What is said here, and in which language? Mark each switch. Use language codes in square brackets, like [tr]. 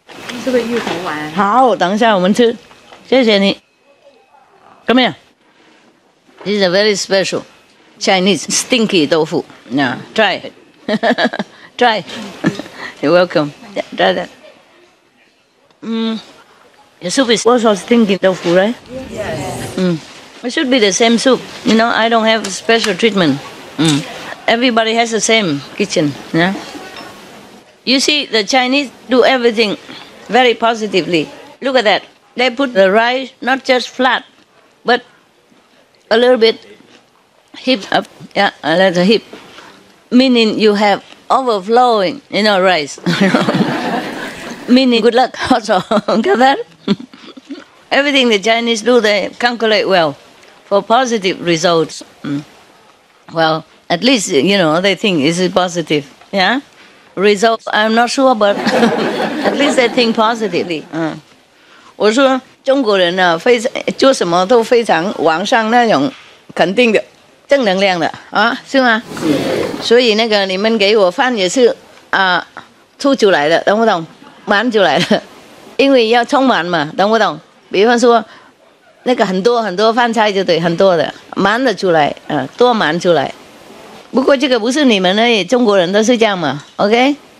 [zh] 你是不是芋头丸？好，等一下我们吃，谢谢你。 [en] Come here. This is a very special Chinese stinky tofu. Yeah, try. Try. You're welcome. Yeah, try that. Your soup is also stinking tofu, right? Yes. It should be the same soup. You know, I don't have special treatment. Everybody has the same kitchen. Yeah. You see, the Chinese do everything very positively. Look at that. They put the rice not just flat, but a little bit hip up. Yeah, a little hip. Meaning you have overflowing, you know, rice. Meaning good luck also. Got that? Everything the Chinese do, they calculate well for positive results. Well, at least, you know, they think this is positive. Yeah? Results, I'm not sure, but at least they think positively. [zh] 我说中国人啊，非常做什么都非常往上那种肯定的正能量的啊，是吗？是。所以那个你们给我饭也是啊，吐出来的，懂不懂？满出来的，因为要充满嘛，懂不懂？比方说，那个很多很多饭菜就对，很多的满了出来，多满出来。不过这个不是你们而已，中国人都是这样嘛 ，OK？